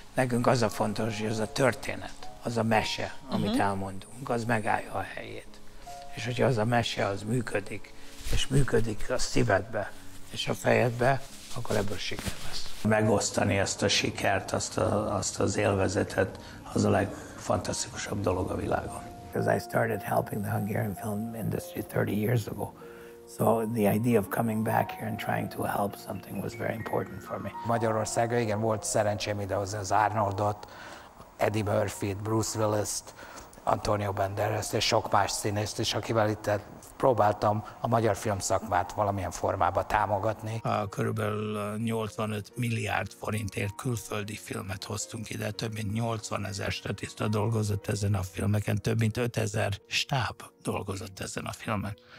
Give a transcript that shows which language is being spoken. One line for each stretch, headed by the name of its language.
Hungarian: Nekünk az a fontos, hogy az a történet, az a mese, amit elmondunk, az megállja a helyét. És hogyha az a mese, az működik, és működik a szívedbe és a fejedbe, akkor ebből siker lesz. Megosztani ezt a sikert, azt az élvezetet, az a legfantasztikusabb dolog a világon.
English: Because I started helping the Hungarian film industry 30 years ago. So the idea of coming back here and trying to help something was very important for me.
Hungarian: Magyarországon igen, volt szerencsém idehozni az Arnoldot, Eddie Murphy-t, Bruce Willis-t, Antonio Banderas-t és sok más színészt is, akivel itt próbáltam a magyar filmszakmát valamilyen formába támogatni. Körülbelül 85 milliárd forintért külföldi filmet hoztunk ide, több mint 80 ezer statiszta dolgozott ezen a filmeken, több mint 5 ezer stáb dolgozott ezen a filmen.